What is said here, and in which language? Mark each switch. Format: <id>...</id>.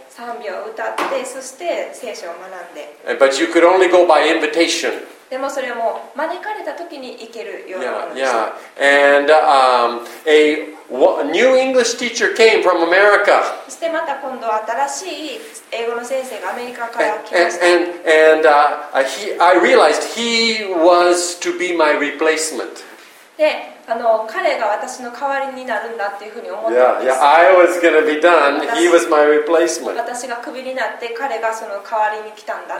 <ja>賛美を歌って、そして聖書を学んで。</ja> <en>But you could only go by invitation.</en> <ja>でもそれも招かれた時に行けるようなものです。</ja> <en>Yeah, yeah. And a new English teacher came from America.</en> <ja>そしてまた今度は新しい英語の先生がアメリカから来ました。</ja> <en>I realized he was to be my replacement.</en> <ja>で、彼が私の代わりになるんだっていうふうに思ったんです。</ja> <en>I was gonna be done. He was my replacement.</en> <ja>私がクビになって彼がその代わりに来たんだ。</ja>